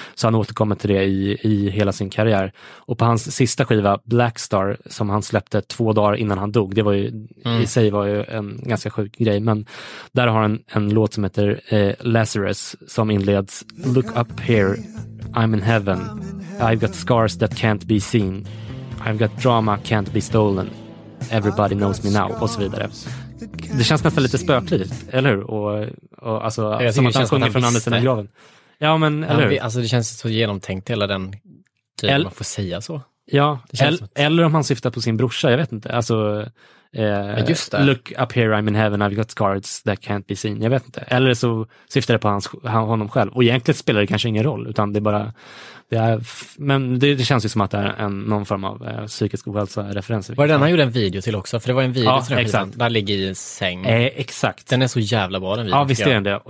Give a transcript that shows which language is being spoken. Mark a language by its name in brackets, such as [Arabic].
[Swedish] Så, han återkommer till det i hela sin karriär. Och på hans sista skiva, Black Star, som han släppte 2 dagar innan han dog, det var ju i sig var ju en ganska sjuk grej, men där har han en låt som heter Lazarus som inleds [English] Look up here, I'm in heaven. I've got scars that can't be seen. I've got drama can't be stolen. Everybody knows me now. [Swedish] Och så vidare. Det känns nästan lite spöklikt, eller hur? Och alltså, som att han sjunger från andra sidan graven. Ja, men eller hur? Alltså, det känns så genomtänkt hela den grejen man får säga så. Ja, eller om han syftar på sin brorsa, jag vet inte. Alltså, just det. [English] Look up here, I'm in heaven, I've got scars that can't be seen. [Swedish] Jag vet inte. Eller så syftar det på honom själv. Och egentligen spelar det kanske ingen roll, utan det är bara men det känns ju som att det är någon form av psykisk ohälsa referens. Var det den han gjorde en video till också? För det var en video som där ligger i en säng. Exakt. Den är så jävla bra, den videon. Ja, visst är den det.